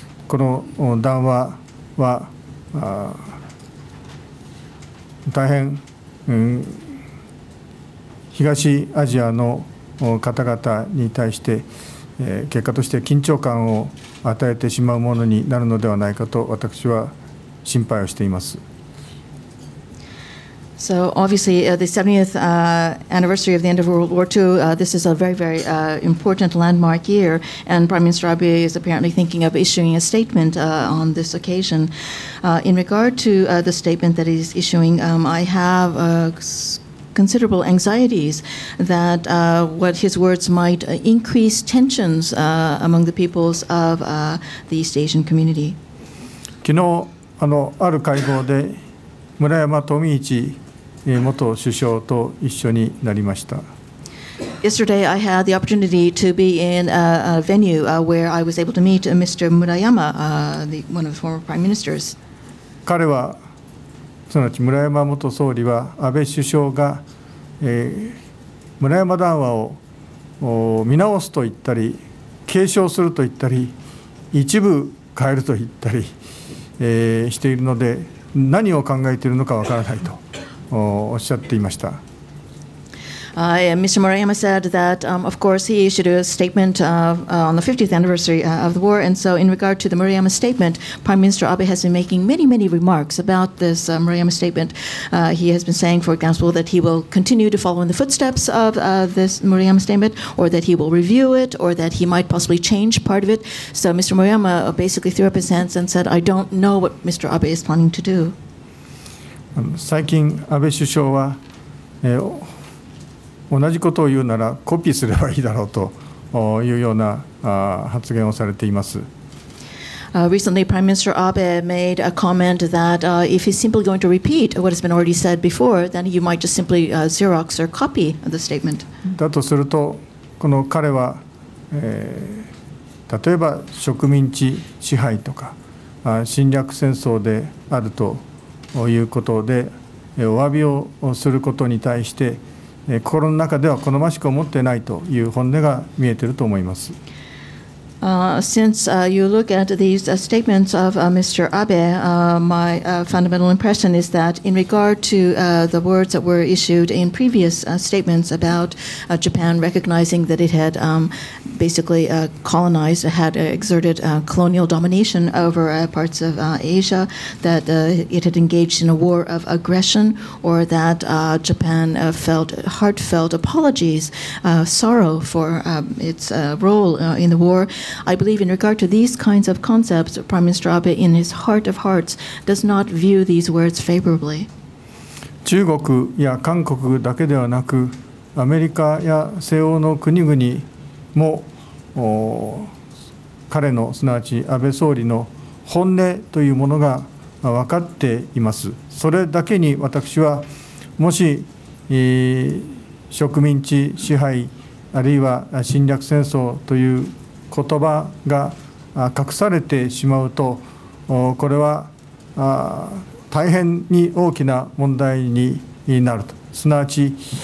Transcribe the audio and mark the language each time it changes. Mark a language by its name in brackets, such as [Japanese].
[Japanese] この談話は大変、東アジアの方々に対して結果として緊張感を与えてしまうものになるのではないかと私は心配をしています。 [English] So obviously, the 70th anniversary of the end of World War II, this is a very, very important landmark year, and Prime Minister Abe is apparently thinking of issuing a statement on this occasion. In regard to the statement that he's issuing, I have considerable anxieties that what his words might increase tensions among the peoples of the East Asian community. [Japanese] 昨日、ある会合で村山富一元首相と一緒になりました。 [English] Yesterday, I had the opportunity to be in a venue where I was able to meet Mr. Murayama, one of the former prime ministers. [Japanese] 彼は、すなわち村山元総理は、安倍首相が、村山談話を見直すと言ったり、継承すると言ったり、一部変えると言ったり、しているので、何を考えているのかわからないと。 [English] Mr. Murayama said that, of course, he issued a statement on the 50th anniversary of the war. And so, in regard to the Murayama statement, Prime Minister Abe has been making many, many remarks about this Murayama statement. He has been saying, for example, that he will continue to follow in the footsteps of this Murayama statement, or that he will review it, or that he might possibly change part of it. So, Mr. Murayama basically threw up his hands and said, I don't know what Mr. Abe is planning to do. [Japanese] 最近安倍首相は、同じことを言うならコピーすればいいだろうというような発言をされています。 [English] Recently, Prime Minister Abe made a comment that if he's simply going to repeat what has been already said before, then you might just simply Xerox or copy the statement. [Japanese] だとすると、この彼は、例えば植民地支配とか侵略戦争であると。ということでお詫びをすることに対して心の中では好ましく思っていないという本音が見えていると思います。 [English] Since you look at these statements of Mr. Abe, my fundamental impression is that in regard to the words that were issued in previous statements about Japan recognizing that it had basically colonized, had exerted colonial domination over parts of Asia, that it had engaged in a war of aggression, or that Japan felt heartfelt apologies, sorrow for its role in the war, I believe in regard to these kinds of concepts, Prime Minister Abe, in his heart of hearts, does not view these words favorably. [Japanese] 中国や韓国だけではなく、アメリカや西欧の国々も、彼の、すなわち安倍総理の本音というものが分かっています。それだけに私は、もし、植民地支配、あるいは侵略戦争という言葉が隠されてしまうと、これは大変に大きな問題になると。すなわち、